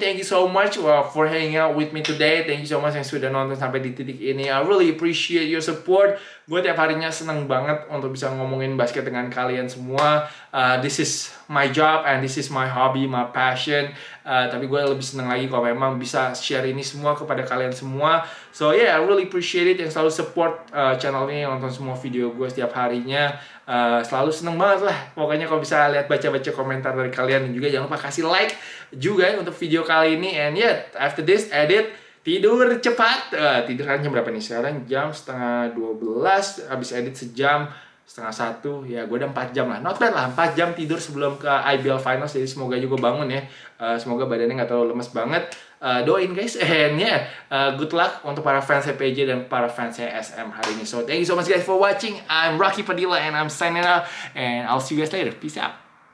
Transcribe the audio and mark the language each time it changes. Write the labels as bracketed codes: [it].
[en] Thank you so much for hanging out with me today. Thank you so much [id] yang sudah nonton sampai di titik ini. [en] I really appreciate your support. [id] Gue tiap harinya seneng banget untuk bisa ngomongin basket dengan kalian semua. [en] This is my job and this is my hobby, my passion. [id] Tapi gue lebih seneng lagi kalau memang bisa share ini semua kepada kalian semua. [en] So yeah, I really appreciate it [id] yang selalu support channel ini, yang nonton semua video gue setiap harinya. Selalu seneng banget lah pokoknya kalau bisa lihat baca-baca komentar dari kalian. Dan juga jangan lupa kasih like juga untuk video kali ini. [en] And yeah, after this, edit. [id] Tidur cepat. Tidur kan jam berapa nih? Sekarang jam 11:30. Habis edit sejam, 12:30. Ya, gue udah 4 jam lah. [en] Not bad [id] lah. 4 jam tidur sebelum ke IBL Finals. Jadi semoga juga bangun ya. Semoga badannya gak terlalu lemes banget. Doain guys. [en] And yeah, good luck [id] untuk para fans PJ dan para fans SM hari ini. [en] So, thank you so much guys for watching. I'm Rocky Padilla and I'm signing out. And I'll see you guys later. Peace out.